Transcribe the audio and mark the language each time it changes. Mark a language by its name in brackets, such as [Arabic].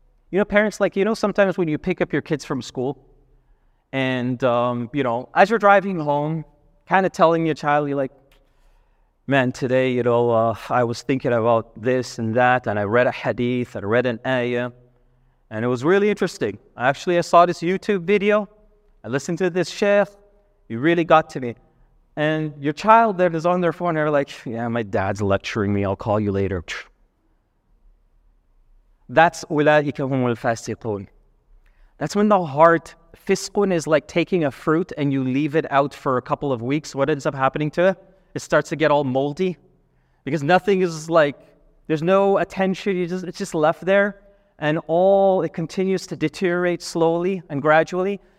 [English] You know, parents, like, you know, sometimes when you pick up your kids from school and, you know, as you're driving home, kind of telling your child, you're like, man, today, you know, I was thinking about this and that, and I read a hadith, I read an ayah, and it was really interesting. Actually, I saw this YouTube video, I listened to this sheikh, it really got to me. And your child that is on their phone, they're like, yeah, my dad's lecturing me, I'll call you later. That's [Arabic] أُولَٰئِكَ هُمُ الْفَاسِقُونَ. [English] That's when the heart, fiskun is like taking a fruit and you leave it out for a couple of weeks. What ends up happening to it? It starts to get all moldy because nothing is like, there's no attention, it's just left there. And all, it continues to deteriorate slowly and gradually.